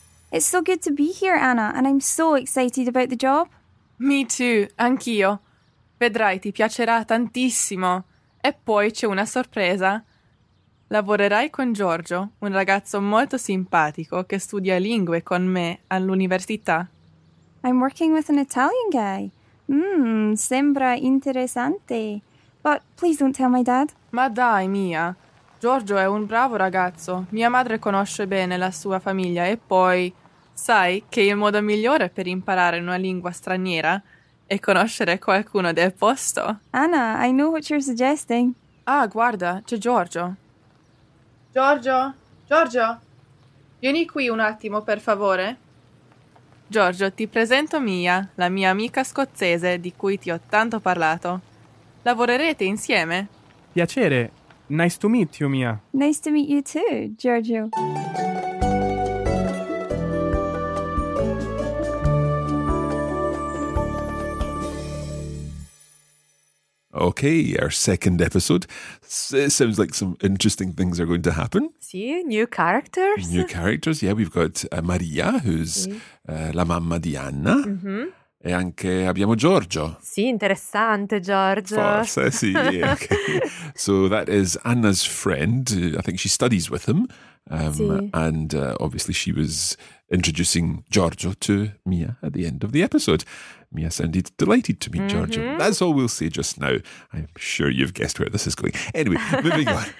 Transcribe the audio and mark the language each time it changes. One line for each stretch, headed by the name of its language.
English: It's so good to be here, Anna, and I'm so excited about the job. Me too,
Italian: anch'io. Vedrai, ti piacerà tantissimo. E poi c'è una sorpresa. Lavorerai con Giorgio, un ragazzo molto simpatico che studia lingue con me all'università. I'm working with an Italian guy. Sembra interessante.
English: But please don't tell my dad.
Italian: Ma dai, Mia. Giorgio è un bravo ragazzo. Mia madre conosce bene la sua famiglia e poi... Sai che il modo migliore per imparare una lingua straniera è conoscere qualcuno del posto.
English: Anna, I know what you're suggesting.
Italian: Ah, guarda, c'è Giorgio. Giorgio? Giorgio? Vieni qui un attimo, per favore. Giorgio, ti presento Mia, la mia amica scozzese di cui ti ho tanto parlato. Lavorerete insieme? Piacere.
English: Nice to meet you, Mia. Nice to meet you too, Giorgio. Okay, our second episode. It sounds like some interesting things are going to happen. Sì, new characters. New characters, yeah. We've got Maria, who's
Italian: la mamma di Anna. E anche abbiamo Giorgio. Sì, interessante, Giorgio. Forse, sì.
English: Yeah, okay. So that is Anna's friend. I think she studies with him. And obviously she was introducing Giorgio to Mia at the end of the episode. Mia sounded delighted to meet Giorgio. That's all we'll say just now. I'm sure you've guessed where this is going. Anyway, moving on.